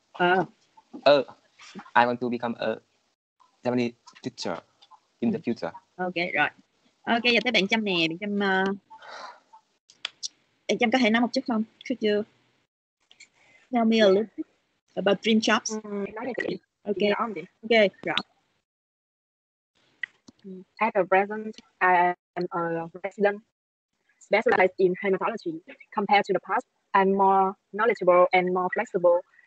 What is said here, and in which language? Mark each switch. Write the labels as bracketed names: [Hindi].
[English] I want to become a Japanese teacher in the future. Okay, right. [Vietnamese] Okay, giờ tới bạn Trâm nè, bạn Trâm... Em Trâm có thể nói một chút không? [English] Could you tell me a little bit about dream jobs? Okay. Okay. Yeah. At the present, I am a resident specialized in hematology. Compared to the past, I'm more knowledgeable and more flexible.